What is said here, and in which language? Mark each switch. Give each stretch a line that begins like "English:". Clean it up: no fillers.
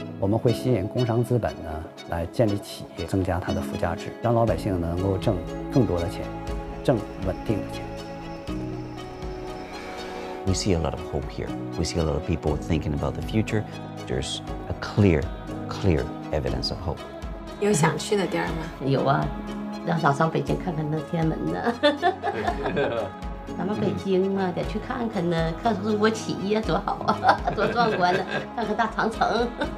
Chinese: 我们会吸引工商资本呢来建立企业，增加它的附加值，让老百姓能够挣更多的钱，挣稳定的钱。
English: We see a lot of hope here. We see a lot of people thinking about the future. There's a clear, clear evidence of hope.
Chinese: 有想去的地儿吗？有啊，要想上北京看看那天安门呢。咱们北京啊，得去看看呢，看中国企业多好啊，多壮观呢，看看大长城。